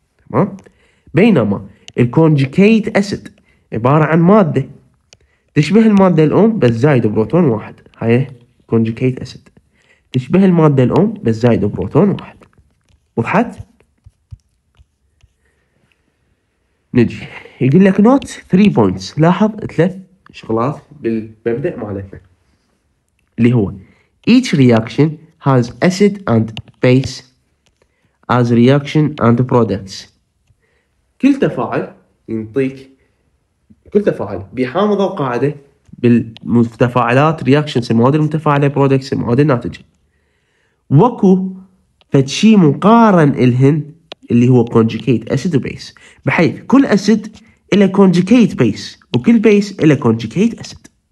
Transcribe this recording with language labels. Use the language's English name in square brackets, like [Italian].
[Arabic] تمام؟ بينما الكونجكيت أسيد عبارة عن مادة تشبه المادة الأم بس زايد بروتون واحد، هاي كونجكيت أسيد تشبه المادة الأم بس زايد بروتون واحد. وضحت؟ نجي يقول لك نوت 3 بوينتس، لاحظ ثلاث شغلات بالمبدأ مالتنا، اللي هو [English] each reaction has acid and base as reaction and products. [Arabic] كل تفاعل ينطيك، كل تفاعل بحامض وقاعدة بالمتفاعلات reactions المواد المتفاعلة products المواد الناتجة، وكو فتشي مقارن الهن اللي هو conjugate acid base، بحيث كل acid إلى conjugate base وكل base إلى conjugate acid.